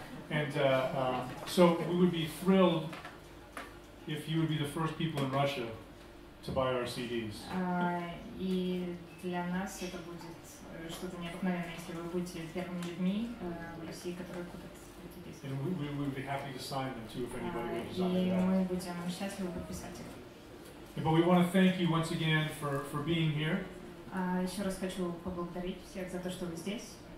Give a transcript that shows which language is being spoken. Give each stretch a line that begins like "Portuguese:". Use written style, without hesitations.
English: And so we would be thrilled if you would be the first people in Russia to buy our CDs.
Russian: И для нас это будет что-то необыкновенное, если вы будете первыми людьми в России, которые купят эти диски.
English: And we would be happy to sign them too if anybody would desire that.
Russian: И мы будем счастливы подписать их.
English: Yeah, but we want to thank you once again for being here.
Russian: Еще раз хочу поблагодарить всех за то, что вы здесь.